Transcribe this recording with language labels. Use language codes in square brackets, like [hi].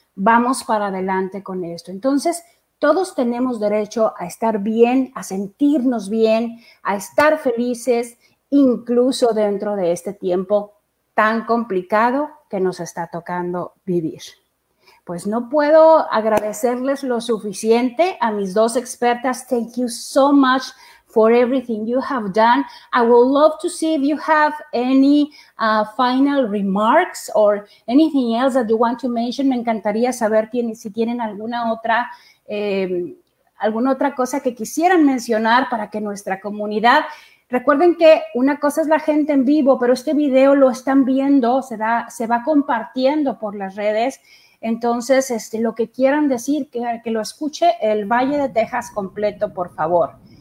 [es] Vamos para adelante con esto. Entonces todos tenemos derecho a estar bien, a sentirnos bien, a estar felices, incluso dentro de este tiempo tan complicado que nos está tocando vivir. Pues no puedo agradecerles lo suficiente a mis dos expertas. [en] Thank you so much for everything you have done. I would love to see if you have any final remarks or anything else that you want to mention. [es] Me encantaría saber si tienen alguna otra cosa que quisieran mencionar para que nuestra comunidad. Recuerden que una cosa es la gente en vivo, pero este video lo están viendo, se va compartiendo por las redes. Entonces, lo que quieran decir, que lo escuche el Valle de Texas completo, por favor.